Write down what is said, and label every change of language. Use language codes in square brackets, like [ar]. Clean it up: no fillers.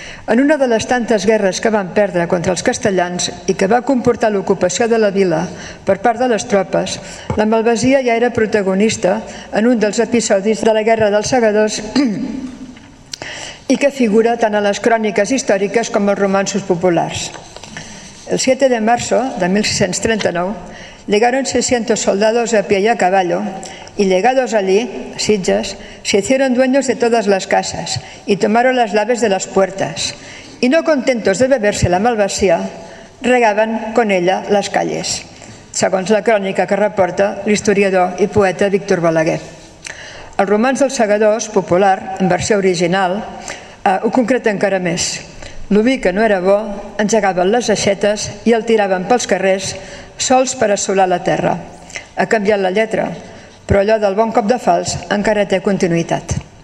[ca] En una de les tantes guerres que van perdre contra els castellans i que va comportar l'ocupació de la vila per part de les tropes, la Malvasia ja era protagonista en un dels episodis de la Guerra dels Segadors i que figura tant a les cròniques històriques com als romanços populars. [es] El 7 de marzo de 1639 llegaron 600 soldados a pie y a caballo y llegados allí, Sitges, se hicieron dueños de todas las casas y tomaron las llaves de las puertas y no contentos de beberse la malvasía, regaban con ella las calles, [ca] segons la crònica que reporta l'historiador i poeta Víctor Balaguer. Els romans dels segadors, popular, en versió original, ho concreta encara més. L'oví que no era bo, engegaven les aixetes i el tiraven pels carrers, sols per assolar la terra. Ha canviat la lletra, però allò del bon cop de fals encara té continuïtat.